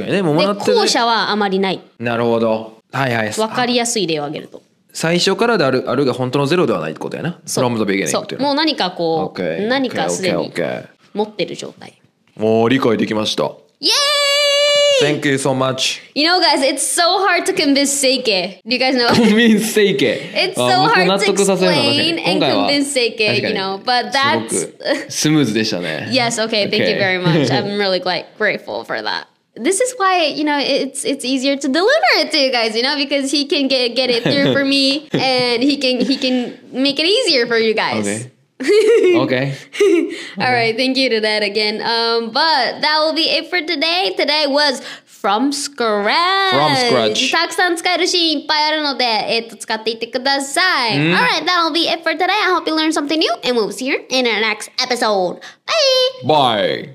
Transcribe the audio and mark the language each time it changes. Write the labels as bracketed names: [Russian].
[Japanese] 確かにね、もうもらってね。で、後者はあまりない。なるほど。はいはい、分かりやすい例を挙げると最初からであるあるが本当のゼロではないってことやな。そう、 [English] From the beginning [Japanese] っていうのはもう何かこう、何かすでに持ってる状態。もう理解できました。イエーイ。 [English] Thank you so much. You know, guys, it's so hard to convince Seike. Do you guys know? Convince Seike. It's so hard to explain and convince Seike, you know. But that's... [Japanese] smooth でしたね。 [English] Yes, okay, thank you very much. I'm really quite grateful for that. This is why, you know, it's easier to deliver it to you guys, you know, because he can get it through for me and he can make it easier for you guys. Okay. Okay. All right. Thank you to that again. But that will be it for today. Today was from scratch. [Japanese] たくさん使えるシーンいっぱいあるので、使っていってください。 [English] All right. That will be it for today. I hope you learned something new and we'll see you in our next episode. Bye.